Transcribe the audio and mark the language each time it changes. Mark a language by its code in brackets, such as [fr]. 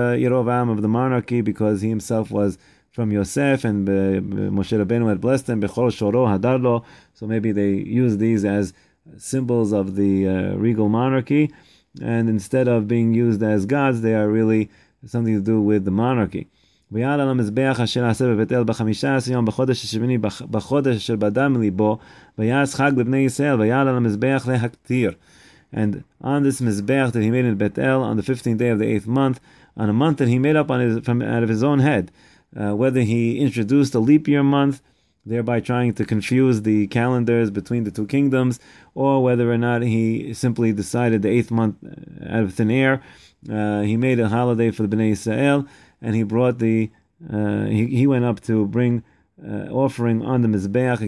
[en] Yerovam, of the monarchy, because he himself was from Yosef, and Moshe Rabbeinu had blessed them, Bechor Shoro Hadarlo, so maybe they used these as symbols of the regal monarchy, and instead of being used as gods, they are really something to do with the monarchy. [he] ויעל על המזבח אשר עשה בבית אל בחמישה עשר יום בחודש השמיני בחודש אשר בדם ליבו ויעז חג לבני ישראל ויעל על המזבח להקטיר. [en] And on this Mizbeach that he made in Bet El on the 15th day of the 8th month, on a month that he made up on his, from out of his own head, whether he introduced a leap year month, thereby trying to confuse the calendars between the two kingdoms, or whether or not he simply decided the 8th month out of thin air, he made a holiday for the Bnei Yisrael, and he brought the he went up to bring offering on the Mizbeach.